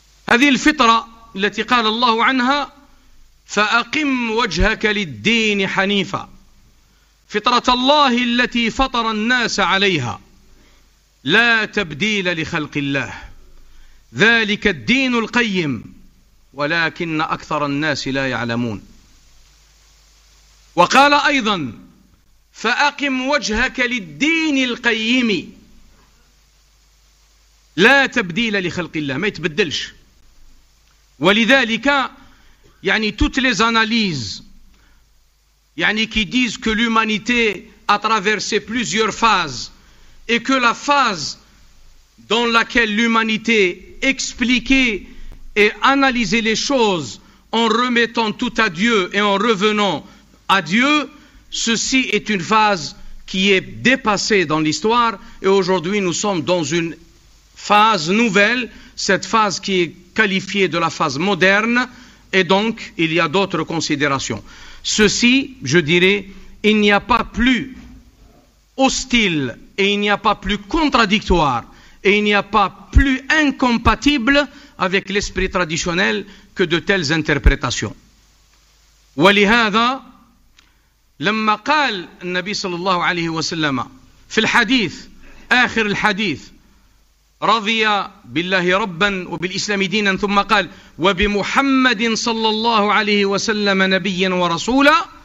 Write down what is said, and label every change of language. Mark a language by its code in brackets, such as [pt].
[ar] هذه الفطرة التي قال الله عنها فأقم وجهك للدين حنيفا، فطرة الله التي فطر الناس عليها، لا تبديل لخلق الله، ذلك الدين القيم ولكن أكثر الناس لا يعلمون. وقال أيضا فأقم وجهك للدين القيم، لا تبديل لخلق الله، ما يتبدلش. ولذلك يعني [fr] toutes les analyses يعني qui disent que l'humanité a traversé plusieurs phases et que la phase dans laquelle l'humanité expliquait et analysait les choses en remettant tout à Dieu et en revenant à Dieu, ceci est une phase qui est dépassée dans l'histoire et aujourd'hui nous sommes dans une phase nouvelle, cette phase qui est qualifiée de la phase moderne et donc il y a d'autres considérations. Ceci, je dirais, il n'y a pas plus hostile et il n'y a pas plus contradictoire et il n'y a pas plus incompatible avec l'esprit traditionnel que de telles interprétations. [ar] ولهذا لما قال النبي صلى الله عليه وسلم في الحديث آخر الحديث رضي بالله ربا وبالإسلام دينا ثم قال وبمحمد صلى الله عليه وسلم نبيا ورسولا،